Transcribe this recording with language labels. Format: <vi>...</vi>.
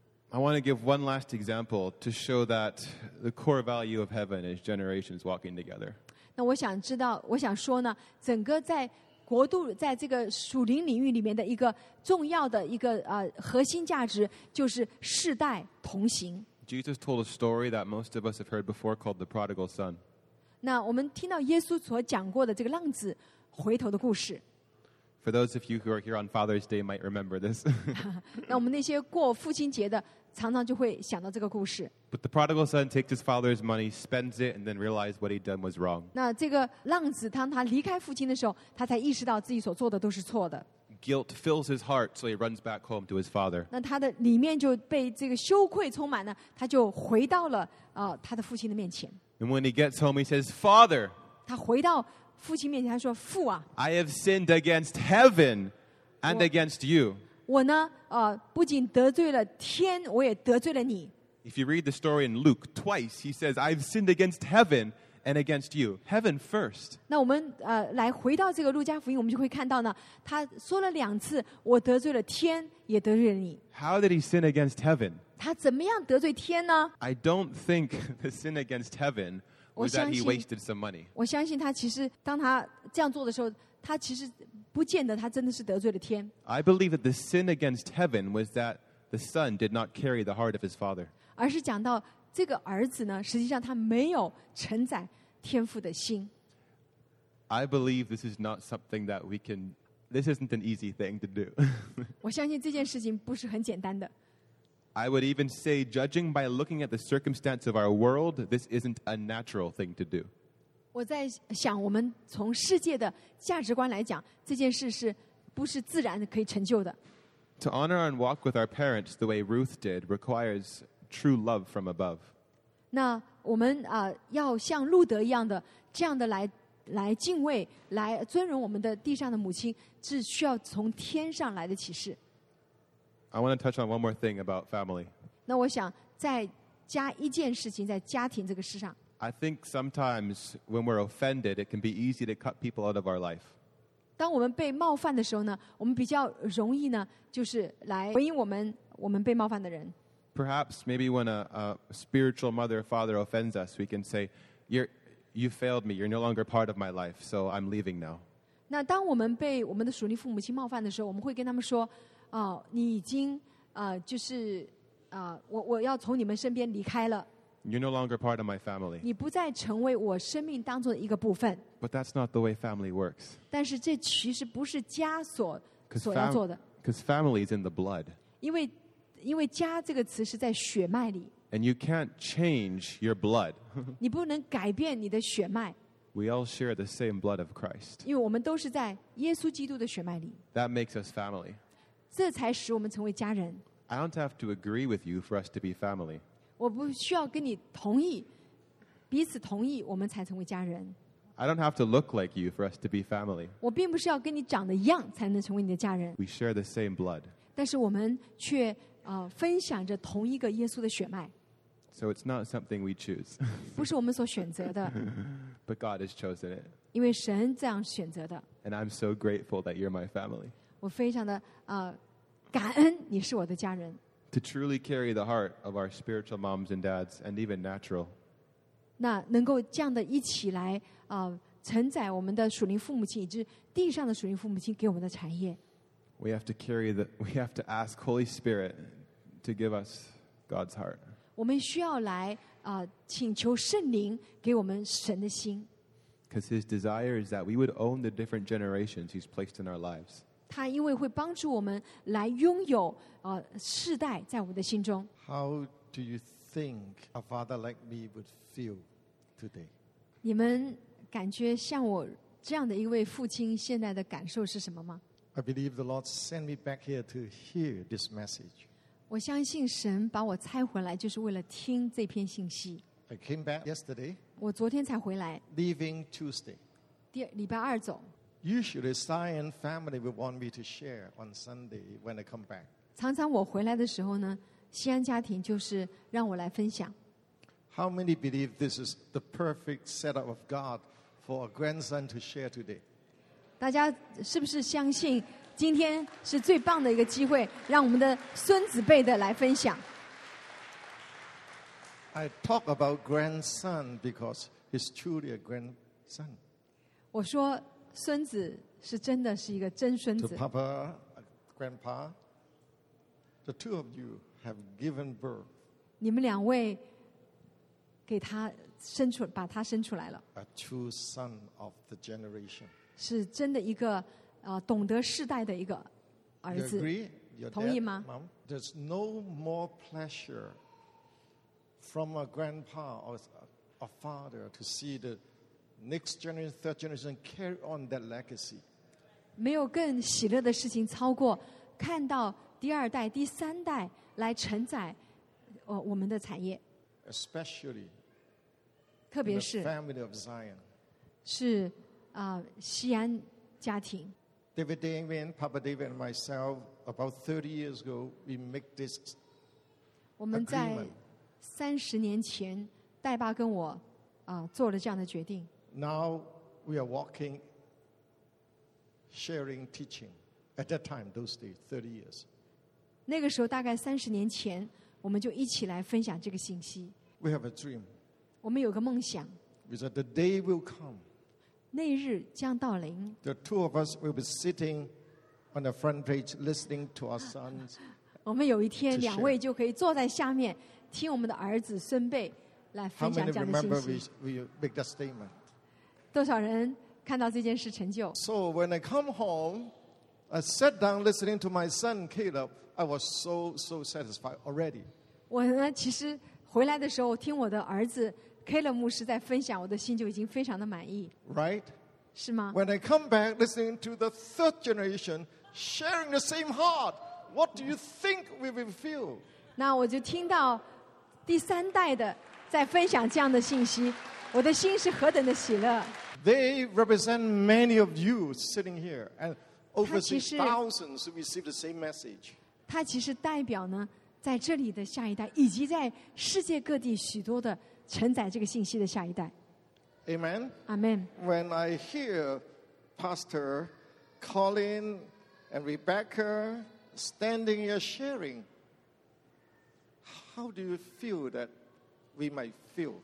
<en>I want to give one last example to show that the core value of heaven is generations walking together.</en> <zh>那我想知道，我想说呢，整个在国度，在这个属灵领域里面的一个重要的一个核心价值，就是世代同行。</zh> <en>Jesus told a story that most of us have heard before called the prodigal son.</en> <zh>那我们听到耶稣所讲过的这个浪子回头的故事。</zh> <en>For those of you who are here on Father's Day might remember this.</en> <zh>那我们那些过父亲节的常常就会想到这个故事。</zh> <en>But the prodigal son takes his father's money, spends it, and then realized what he'd done was wrong.</en> <zh>那这个浪子当他离开父亲的时候，他才意识到自己所做的都是错的。</zh> <en>Guilt fills his heart, so he runs back home to his father.</en> <zh>那他的里面就被这个羞愧充满了，他就回到了他的父亲的面前。</zh> <en>And when he gets home, he says, "Father."</en> <zh>他回到父亲面前，他说：“父啊。”</zh> <en>I have sinned against heaven and against you.</en> <zh>我呢，不仅得罪了天，我也得罪了你。</zh> <en>If you read the story in Luke twice, he says, "I've sinned against heaven." And against you, heaven first.</en> <zh>那我们来回到这个路加福音，我们就会看到呢，他说了两次，我得罪了天，也得罪了你。</zh> <en>How did he sin against heaven?</en> <zh>他怎么样得罪天呢？</zh> <en>I don't think the sin against heaven was that he wasted some money.</en> <zh>我相信他其实当他这样做的时候，他其实不见得他真的是得罪了天。</zh> <en>I believe that the sin against heaven was that the son did not carry the heart of his father.</en> <zh>而是讲到这个儿子呢，实际上他没有承载天父的心。</zh> <en>I believe this is not something that we can. This isn't an easy thing to do.</en> <zh>我相信这件事情不是很简单的。</zh> <en>I would even say, judging by looking at the circumstance of our world, this isn't a natural thing to do.</en> <zh>我在想，我们从世界的价值观来讲，这件事是不是自然可以成就的？</zh> <en>To honor and walk with our parents the way Ruth did requires true love from above.</en> <zh>那我们啊，要像路德一样的这样的来敬畏，来尊荣我们的地上的母亲，是需要从天上来的启示。</zh> <en>I want to touch on one more thing about family.</en> <zh>那我想再加一件事情在家庭这个事上。</zh> <en>I think sometimes when we're offended, it can be easy to cut people out of our life.</en> <zh>当我们被冒犯的时候呢，我们比较容易呢，就是来回应我们被冒犯的人。</zh> <en>Perhaps maybe when a spiritual mother or father offends us, we can say, "You failed me. You're no longer part of my life, so I'm leaving now."</en> <zh>那当我们被我们的属灵父母亲冒犯的时候，我们会跟他们说。你已经就是我要从你们身边离开了。</zh> <en>You're no longer part of my family.</en> <zh>你不再成为我生命当中的一个部分。</zh> <en>But that's not the way family works.</en> <zh>但是这其实不是家所要做的。</zh> <en>Because family is in the blood.</en> <zh>因为家这个词是在血脉里。</zh> <en>And you can't change your blood.</en> <zh>你不能改变你的血脉。</zh> <en>We all share the same blood of Christ.</en> <zh>因为我们都是在耶稣基督的血脉里。</zh> <en>That makes us family.</en> <zh>这才使我们成为家人。</zh> <en>I don't have to agree with you for us to be family.</en> <zh>我不需要跟你同意，彼此同意，我们才成为家人。</zh> <en>I don't have to look like you for us to be family.</en> <zh>我并不是要跟你长得一样才能成为你的家人。</zh> <en>We share the same blood.</en> <zh>但是我们却分享着同一个耶稣的血脉。</zh> <en>So it's not something we choose.</en> <zh>不是我们所选择的。</zh> <en>But God has chosen it.</en> <zh>因为神这样选择的。</zh> <en>And I'm so grateful that you're my family.</en> <zh>我非常的感恩你是我的家人。</zh> <en>To truly carry the heart of our spiritual moms and dads, and even natural.</en> <zh>那能够这样的一起来承载我们的属灵父母亲以及地上的属灵父母亲给我们的产业。</zh> <en>We have to carry we have to ask Holy Spirit to give us God's heart.</en> <zh>我们需要来请求圣灵给我们神的心。</zh> <en>Because His desire is that we would own the different generations He's placed in our lives.</en> <zh>他因为会帮助我们来拥有世代在我们的心中。</zh> <en>How do you think a father like me would feel today?</en> <zh>你们感觉像我这样的一位父亲现在的感受是什么吗？</zh> <en>I believe the Lord sent me back here to hear this message.</en> <zh>我相信神把我差回来就是为了听这篇信息。</zh> <en>I came back yesterday.</en> <zh>我昨天才回来。</zh> <en>Leaving Tuesday.</en> <zh>礼拜二走。</zh> <en>Usually, Zion family would want me to share on Sunday when I come back.</en> <zh>常常我回来的时候呢，西安家庭就是让我来分享。</zh> <en>How many believe this is the perfect setup of God for a grandson to share today?</en> <zh>大家是不是相信今天是最棒的一个机会，让我们的孙子辈的来分享</zh> <en>？I talk about grandson because he's truly a grandson.</en> <zh>我说。孙子是真的是一个真孙子。</zh> <en>To Papa, Grandpa, the two of you have given birth.</en> <zh>你们两位给他生出，把他生出来了。</zh> <en>A true son of the generation.</en> <zh>是真的一个懂得世代的一个儿子。</zh> <en>You agree?</en> <zh>同意吗</zh> <en>？Mom, there's no more pleasure from a grandpa or a father to see the. Next generation, third generation, carry on that legacy.</en> <zh>没有更喜乐的事情超过看到第二代、第三代来承载我们的产业。</zh> <en>Especially,</en> <zh>特别是</zh> <en>the family of Zion,</en> <zh>是西安家庭。</zh> <en>David Damien, Papa David, and myself, about 30 years ago, we make this agreement.</en> <zh>我们在30年前，戴爸跟我做了这样的决定。</zh> <en>Now we are walking, sharing, teaching. At that time, those days, 30 years.</en> <zh>那个时候大概三十年前，我们就一起来分享这个信息。</zh> <en>We have a dream.</en> <zh>我们有个梦想。</zh> <en>We said the day will come.</en> <zh>那日将到临。</zh> <en>The two of us will be sitting on the front page, listening to our sons</en> <zh>我们有一天两位就可以坐在下面听我们的儿子孙辈来分享这样的信息。</zh> <en>How many remember we make that statement?</en> <zh>多少人看到这件事成就？</zh> <en>So when I come home, I sat down listening to my son Caleb. I was so satisfied already.</en> <zh>我呢，其实回来的时候听我的儿子 Caleb 牧师在分享，我的心就已经非常的满意。</zh> <en>Right?</en> <zh>是吗？</zh> <en>When I come back listening to the third generation sharing the same heart, what do you think we will feel?</en> <zh>那我就听到第三代的在分享这样的信息，我的心是何等的喜乐。</zh> <en>They represent many of you sitting here, and overseas thousands receive the same message.</en> <zh>他其实代表呢，在这里的下一代，以及在世界各地许多的承载这个信息的下一代。</zh> <en>Amen. Amen. When I hear Pastor Colin and Rebecca standing here sharing, how do you feel that we might feel?</en>